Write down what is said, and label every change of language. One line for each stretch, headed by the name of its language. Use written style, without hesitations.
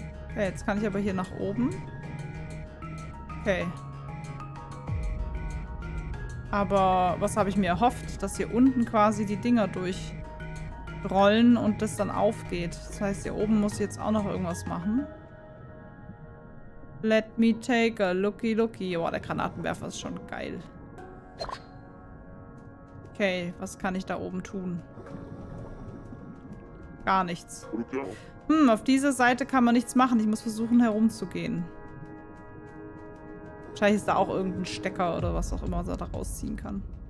German: Okay, jetzt kann ich aber hier nach oben. Okay. Aber was habe ich mir erhofft? Dass hier unten quasi die Dinger durchrollen und das dann aufgeht. Das heißt, hier oben muss ich jetzt auch noch irgendwas machen.
English: Let me take a looky looky.
German: Boah, der Granatenwerfer ist schon geil. Okay, was kann ich da oben tun? Gar nichts. Hm, auf dieser Seite kann man nichts machen. Ich muss versuchen, herumzugehen. Wahrscheinlich ist da auch irgendein Stecker oder was auch immer, was er da rausziehen kann.